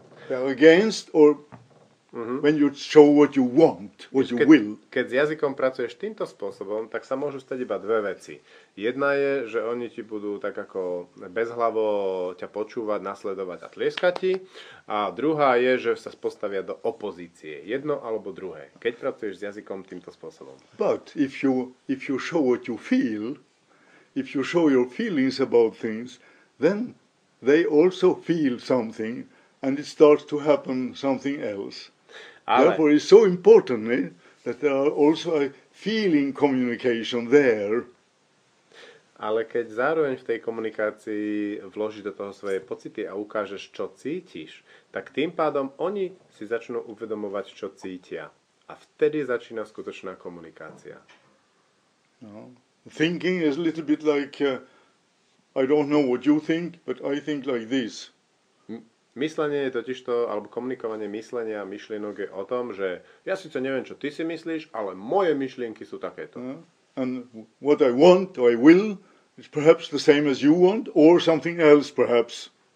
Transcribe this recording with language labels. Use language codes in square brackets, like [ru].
[en] They are against or mm-hmm. when you show what you want, what you will. [sk] Keď s jazykom pracuješ týmto spôsobom, tak sa môžu stať iba dve veci. Jedna je, že oni ti budú tak ako bezhlavo ťa počúvať, nasledovať a tlieskať ti. A druhá je, že sa postavia do opozície. Jedno alebo druhé. Keď pracuješ s jazykom týmto spôsobom. [en] But if you show what you feel, if you show your feelings about things, then they also feel something. And it starts to happen something else. [sk] Ale, [en] therefore, it's so important that there are also a feeling communication there. [sk] Ale keď zároveň v tej komunikácii vložíš do toho svoje pocity a ukážeš, čo cítiš, tak tým pádom oni si začnú uvedomovať, čo cítia. A vtedy začína skutočná komunikácia. No. [en] Thinking is a little bit like I don't know what you think, but I think like this. [sk] Myslenie je totiž to, alebo komunikovanie myslenia a myšlienok je o tom, že ja síce neviem, čo ty si myslíš, ale moje myšlienky sú takéto. [en] And what I want or I will is perhaps the same as you want or something else perhaps.